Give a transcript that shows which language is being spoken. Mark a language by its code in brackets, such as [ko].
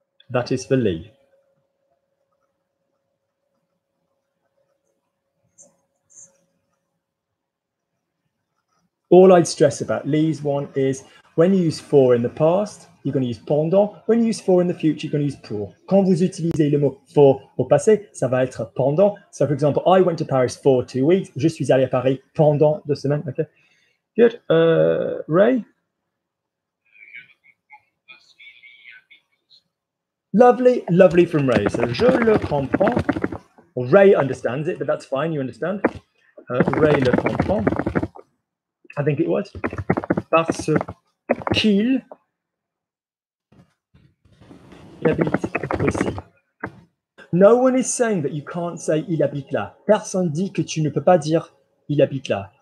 [en] That is for Lee. All I'd stress about Lee's one is when you use for in the past, you're going to use pendant. When you use for in the future, you're going to use pour. [fr] Quand vous utilisez le mot for au passé, ça va être pendant. [en] So, for example, I went to Paris for 2 weeks. [fr] Je suis allé à Paris pendant 2 semaines. [en] Okay. Good. Ray? Lovely, lovely from Ray. So, [fr] je le comprends. [en] Well, Ray understands it, but that's fine. You understand. [fr] Ray le comprend. [en] I think it was. [fr] Parce qu'il habite aussi. [en] No one is saying that you can't say [fr] il habite là. Personne dit que tu ne peux pas dire il habite là.